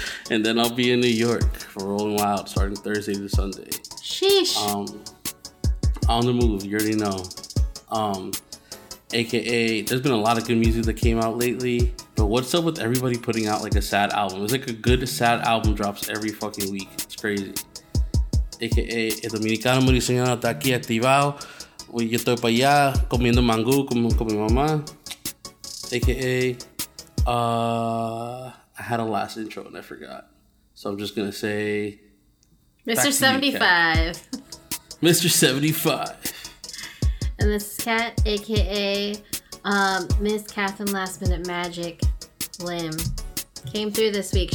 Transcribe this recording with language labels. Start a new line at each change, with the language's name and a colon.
English: And then I'll be in New York for Rolling Wild starting Thursday to Sunday. Sheesh. On the move, you already know. AKA, there's been a lot of good music that came out lately, but what's up with everybody putting out like a sad album? It's like a good sad album drops every fucking week. It's crazy.
Spanish: AKA, el dominicano me dice, está aquí activado. Yo estoy para allá comiendo mango con mi mamá.
English: AKA, I had a last intro and I forgot. So I'm just going to say... Mr. 75. And this is Kat, a.k.a. Miss Catherine Last Minute Magic Lim. Came through this week.